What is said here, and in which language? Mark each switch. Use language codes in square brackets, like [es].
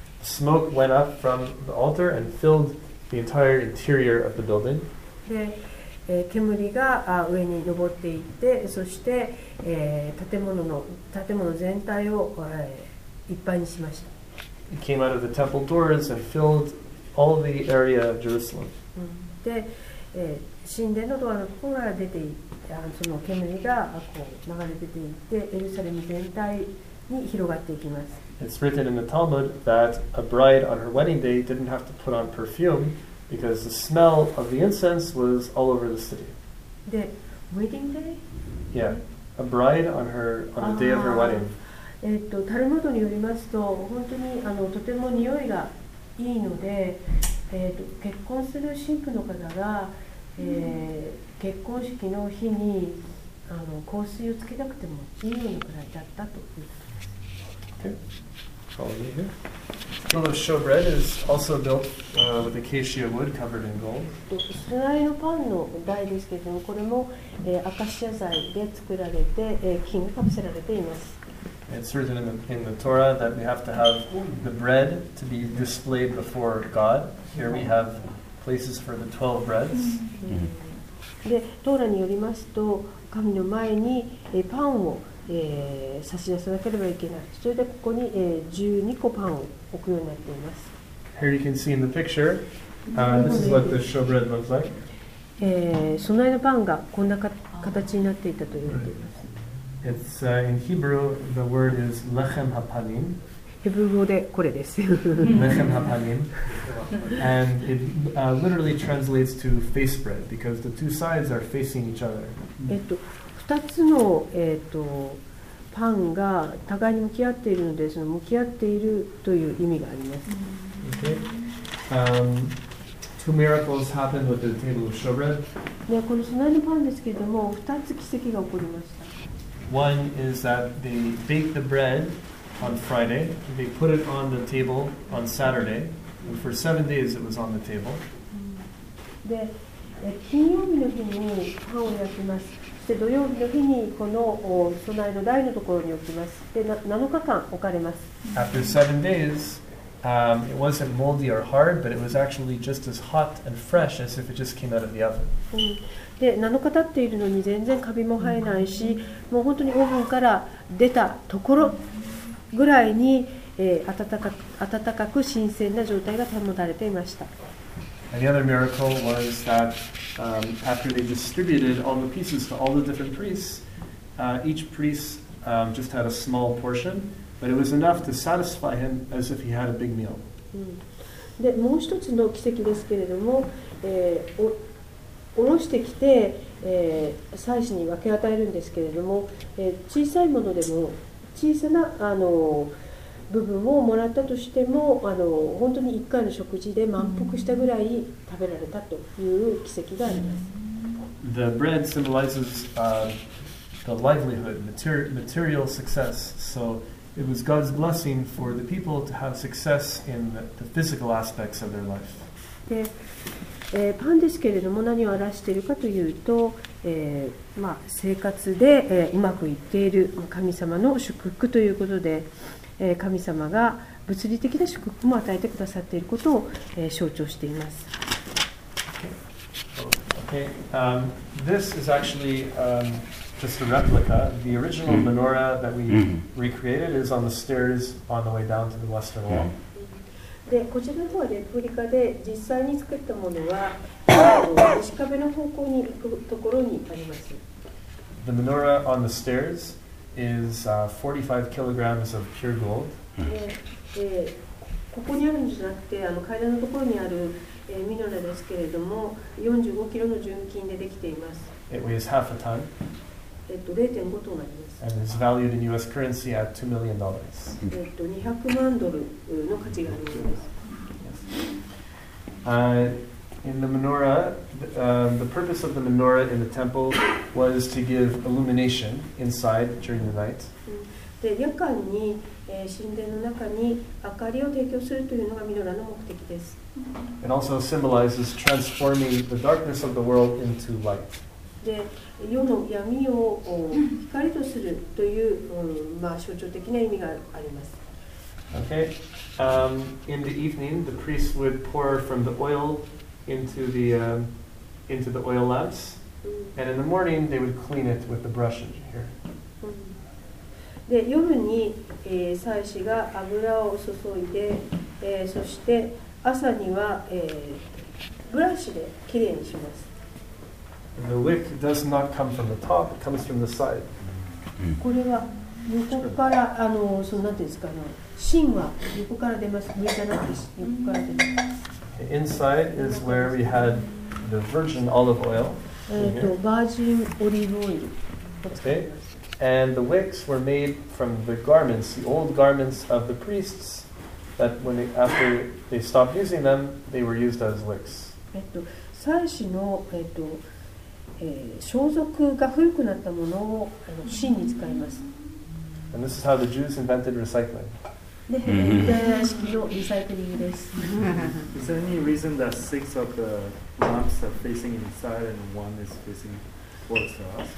[en] Smoke went up from the altar and filled the entire interior of the building. [ja] で、煙が上に上っていって、そして、建物全体を、いっぱいにしました。 [en] It came out of the temple doors and filled all the area of Jerusalem. [ja] で、神殿のドアのここから出て、その煙がこう流れ出ていって、エルサレム全体に広がっていきます。 [en] It's written in the Talmud that a bride on her wedding day didn't have to put on perfume because the smell of the incense was all over the city. で、wedding day? Yeah, a bride on her on the day of her wedding. [ja] タルモドによりますと本当にとても匂いがいいので、結婚する新婦の方が、結婚式の日に香水をつけなくてもいいようなくらいだったということです。 [en] Okay. Follow me here. The little showbread is also built with acacia wood covered in gold. [ja] スナイのパンの台ですけれどもこれも、アカシア材で作られて、金がかぶせられています。 [en] It's written in the Torah that we have to have the bread to be displayed before God. Here we have places for the 12 breads. [ja] で、トーラによりますと、神の前にパンを差し出さなければいけない。それでここに12個パンを置くようになっています。 [en] Here you can see in the picture, this is what the showbread looks like. [ja] 備えのパンがこんな形になっていたと言われています。 [en] It's in Hebrew, the word is [he] lechem hapanim. [ja] Hebrew 語でこれです。 [he] Lechem hapanim. [en] And it literally translates to face bread, because the two sides are facing each other. [ja] 2つの、パンが互いに向き合っているので、その向き合っているという意味があります。 [en] Two miracles happened with the table of showbread. [ja] で、この備えのパンですけれども、2つ奇跡が起こりました。 [en] One is that they bake the bread on Friday. They put it on the table on Saturday. And for 7 days it was on the table. [ja] で、金曜日の日にパンを焼きます。そして土曜日の日にこの備えの台のところに置きます。で7日間置かれます。 [en] After 7 days、it wasn't moldy or hard, but it was actually just as hot and fresh as if it just came out of the oven、 [ja] で7日経っているのに全然カビも生えないし、もう本当にオーブンから出たところぐらいに、温かく新鮮な状態が保たれていました。 [en] And the other miracle was that、after they distributed all the pieces to all the different priests,、each priest、just had a small portion, but it was enough to satisfy him as if he had a big meal.、 [ja] でもう一つの奇跡ですけれども、下ろしてきて、祭司に分け与えるんですけれども、小さいものでも小さな部分をもらったとしても本当に1回の食事で満腹したぐらい食べられたという奇跡があります。 [en] The bread symbolizes、the livelihood, material success. So it was God's blessing for the people to have success in the physical aspects of their life. [ja] で、パンですけれども何を表しているかというと、生活で、うまくいっている神様の祝福ということで、神様が物理的な祝福も与えてくださっていることを、象徴しています。 [en] Okay. This is actually、just a replica. The original menorah that we recreated is on the stairs on the way down to the western wall. [ja] でこちらの方はレプリカで、実際に作ったものは西壁の方向に行くところにあります。 [en] The menorah on the stairs is 45 kilograms of pure gold. [ja] ここにあるんじゃなくて、階段のところにある、ミノラですけれども、45キロの純金でできています。 [en] It weighs half a ton. [ja] 0.5 トンあります。 [en] And is valued in U.S. currency at $2 million. [ja] 200万ドルの価値があるんです。 [en] Yes. In the menorah, the purpose of the menorah in the temple was to give illumination inside during the night. [ja] で、夜間に、神殿の中に明かりを提供するというのがミノラの目的です。 [en] It also symbolizes transforming the darkness of the world into light. [ja] で、夜の闇を光とするという、象徴的な意味があります。 [en] Okay. In the evening, the priests would pour from the oil. Into the oil lamps, and in the morning they would clean it with the brush in here. [ja] で夜に、祭司が油を注いで、そして朝には、ブラシできれいにします。 [en] And the wick does not come from the top; it comes from the side. [ja] これは横からそうなんていうんですかね、芯は横から出ます。上じゃなくて横から出ます。 [en] Inside is where we had the virgin olive oil. [ja] バージンオリーブオイル。 [en] Okay. And the wicks were made from the garments, the old garments of the priests, that when they, after they stopped using them, they were used as wicks. [ja] 祭司の装束が古くなったものを芯に使います。 [en] And this is how the Jews invented recycling. Is there any reason that six of the lamps are facing inside and one is facing towards the house?